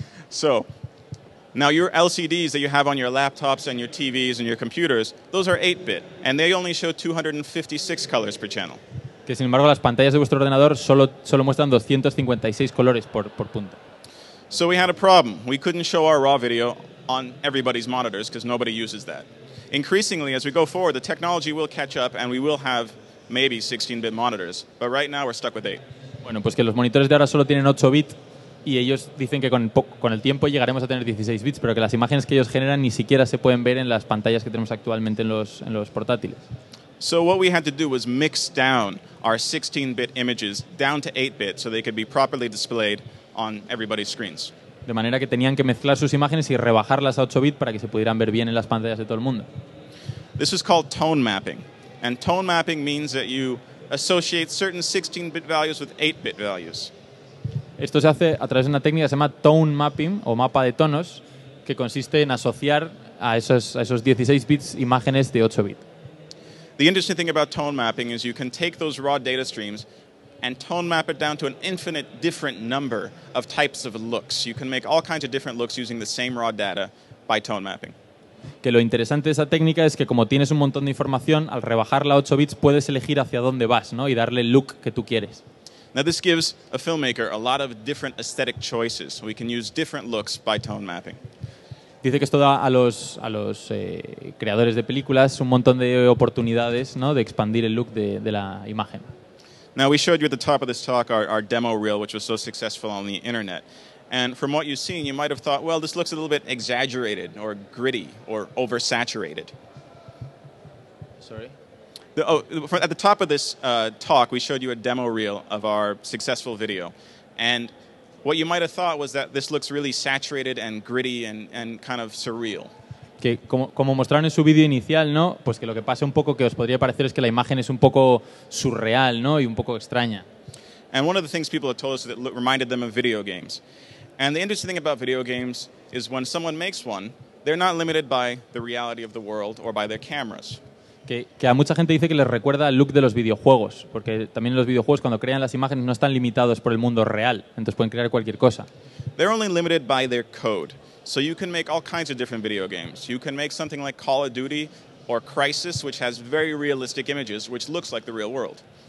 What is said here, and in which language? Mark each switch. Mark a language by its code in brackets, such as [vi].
[en] So, now your LCDs that you have on your laptops and your TVs and your computers, those are 8-bit, and they only show 256 colors per channel. [es] Que sin embargo las pantallas de vuestro ordenador solo muestran 256 colores por punta. [en] So we had a problem. We couldn't show our raw video on everybody's monitors because nobody uses that. Increasingly, as we go forward, the technology will catch up and we will have maybe 16-bit monitors. But right now we're stuck with 8. [es] Bueno, pues que los monitores de ahora solo tienen 8-bit. Y ellos dicen que con el tiempo llegaremos a tener 16 bits, pero que las imágenes que ellos generan ni siquiera se pueden ver en las pantallas que tenemos actualmente en los portátiles. [en] So what we had to do was mix down our 16-bit images down to 8-bit so they could be properly displayed on everybody's screens. [es] De manera que tenían que mezclar sus imágenes y rebajarlas a 8-bit para que se pudieran ver bien en las pantallas de todo el mundo. [en] This is called tone mapping. And tone mapping means that you associate certain 16-bit values with 8-bit values. [es] Esto se hace a través de una técnica que se llama tone mapping o mapa de tonos, que consiste en asociar a esos 16 bits imágenes de 8 bits. [en] The interesting thing about tone mapping is you can take those raw data streams and tone map it down to an infinite different number of types of looks. You can make all kinds of different looks using the same raw data by tone mapping. [es] Que lo interesante de esa técnica es que como tienes un montón de información, al rebajarla a 8 bits puedes elegir hacia dónde vas, ¿no? Y darle el look que tú quieres. [en] Now this gives a filmmaker a lot of different aesthetic choices. We can use different looks by tone mapping. [es] Dice que esto da a los creadores de películas un montón de oportunidades, ¿no? De expandir el look de la imagen. [en] Now we showed you at the top of this talk our demo reel, which was so successful on the internet. And from what you've seen, you might have thought, well, this looks a little bit exaggerated or gritty or oversaturated. Sorry? At the top of this talk, we showed you a demo reel of our successful video. And what you might have thought was that this looks really saturated and gritty and kind of surreal. [es] Que como mostraron en su vídeo inicial, ¿no? Pues que lo que pasa un poco que os podría parecer es que la imagen es un poco surreal, ¿no? Y un poco extraña. [en] And one of the things people have told us that reminded them of video games. And the interesting thing about video games is when someone makes one, they're not limited by the reality of the world or by their cameras. [es] Que a mucha gente dice que les recuerda el look de los videojuegos, porque también en los videojuegos cuando crean las imágenes no están limitados por el mundo real, entonces pueden crear cualquier cosa. [en] They're only limited by their code. So you can make all kinds of different video games. You can make something like Call of Duty or Crisis, which has very realistic images, which looks like the real world.